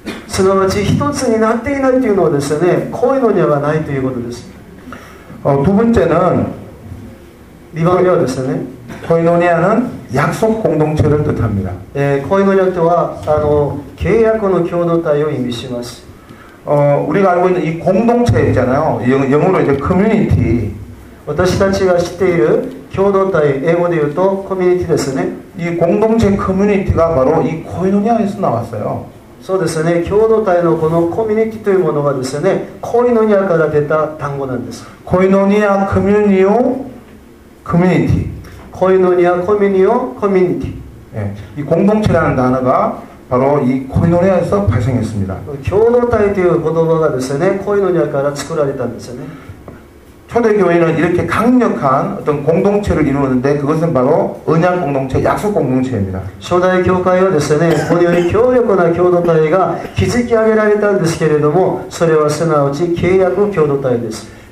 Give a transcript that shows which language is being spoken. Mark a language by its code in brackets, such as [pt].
[ja] すなわち一つになっていないというのはですね、コイノニアがないということです。 [ko] 두번째는 이번에ですね。 코이노니아는약속공동체를뜻합니다 [ja] 예코이노니아とは [ko] 계약의 [ja] 共同体を意味します。 [ko] 우리가알고있는이공동체있잖아요 영어로이제커뮤니티 [ja] 私たちが知っている共同体英語で言うとコミュニティですね。 [ko] 이공동체커뮤니티가바로이코이노니아에서나왔어요。 [ja] そうですね、共同体のこのコミュニティというものがですね、코이노니아から出た単語なんです。 [ko] 코이노니아커뮤니오커뮤니티 코이노니아코미니오커뮤니티 예이공동체라는단어가바로이코이노니아에서발생했습니다 [ja] 共同体という言葉がですね、코이노니아から作られたんですね。 [ko] 초대교회는이렇게강력한어떤공동체를이루었는데그것은바로언약공동체약속공동체입니다 초대교회는 [ja] ですね、このように強力な共同体が築き上げられたんですけれども、それはすなわち契約共同体です。